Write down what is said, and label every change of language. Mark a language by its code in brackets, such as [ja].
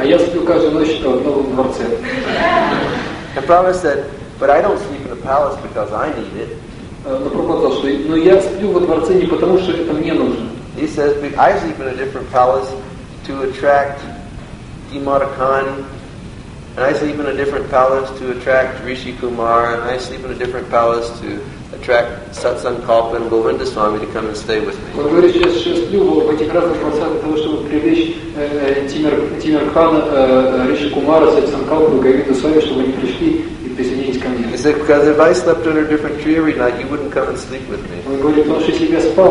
[ru] А я сплю каждую ночь в новом дворце. [en] And Prabhupada said, but I don't sleep in a palace because I need it. [ru] Но Прабхупада сказал, что я сплю во дворце не потому, что это мне нужно. [en] He says, I sleep in a different palace to attract Dimara Khan, and I sleep in a different palace to attract Rishi Kumar, and I sleep in a different palace to attract Satsang Kalpa and Govinda Swami to come and stay with me. [ru] Он говорит, что я сплю в этих разных палатах для того, чтобы привлечь Тимара Кхана, Риши Кумара, Сатсанг Калпу, Говинду Свами, чтобы они пришли. [en] He said, because if I slept under a different tree every night, you wouldn't come and sleep with me.